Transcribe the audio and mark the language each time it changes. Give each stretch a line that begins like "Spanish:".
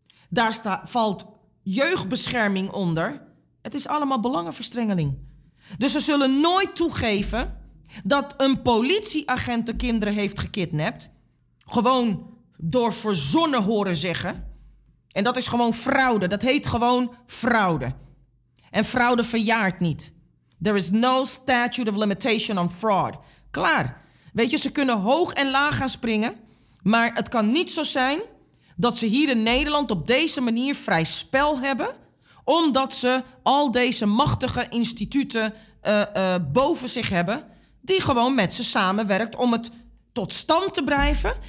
Dutch: Daar valt jeugdbescherming onder. Het is allemaal belangenverstrengeling. Dus ze zullen nooit toegeven dat een politieagent de kinderen heeft gekidnapt. Gewoon door verzonnen horen zeggen. En dat is gewoon fraude. Dat heet gewoon fraude. En fraude verjaart niet.
English: There is no statute of limitation on fraud.
Dutch: Klaar. Weet je, ze kunnen hoog en laag gaan springen. Maar het kan niet zo zijn dat ze hier in Nederland op deze manier vrij spel hebben. Omdat ze al deze machtige instituten boven zich hebben. Die gewoon met ze samenwerkt om het tot stand te blijven.